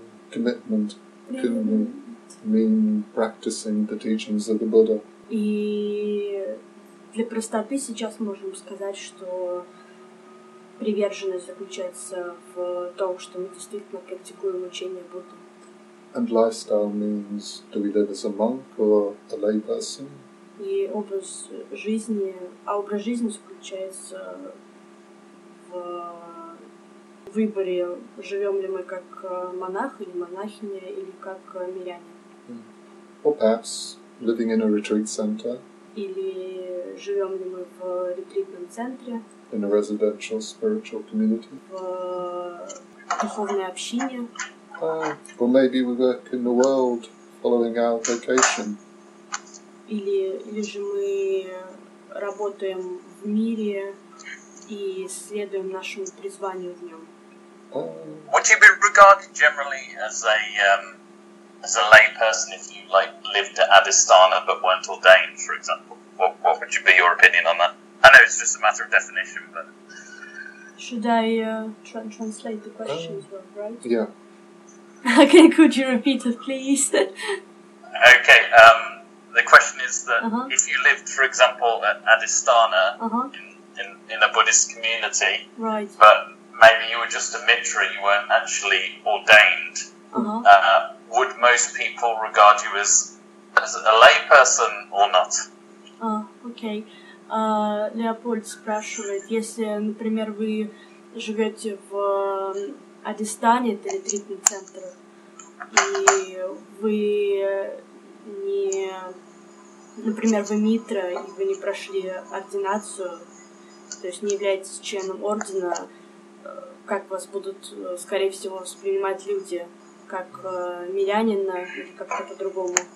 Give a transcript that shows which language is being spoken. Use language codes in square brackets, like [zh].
[en] Commitment can mean practicing the teachings of the Buddha. [ru] И для простоты сейчас можем сказать, что приверженность заключается в том, что мы действительно практикуем учение Будды. [en] And lifestyle means, do we live as a monk or a lay person? [ru] И образ жизни, а образ жизни заключается в выборе, живем ли мы как монах или монахиня, или как мирянин. [en] Or perhaps living in a retreat center. [ru] Или живем ли мы в ретритном центре. [en] In a residential spiritual community. [ru] В духовной общине. [en] Or maybe we work in the world following our vocation. [ru] Или же мы работаем в мире и следуем нашему призванию в нем. [en] Would you be regarded generally as a lay person if you lived at Adisthana but weren't ordained, for example? What would you be your opinion on that? I know it's just a matter of definition, but should I translate the question as well, right? Yeah. Okay, could you repeat it, please? Okay. The question is that uh-huh. if you lived, for example, at Adisthana uh-huh. in a Buddhist community, right? But maybe you were just a mitra, you weren't actually ordained. Uh-huh. Would most people regard you as a lay person or not? Okay. [ru] Леопольд спрашивает, если, например, вы живете в Адистане, это ретритный центр, и вы не, например, вы митра, и вы не прошли ординацию, то есть не являетесь членом ордена, как вас будут, скорее всего, воспринимать люди, как мирянина или как-то по-другому?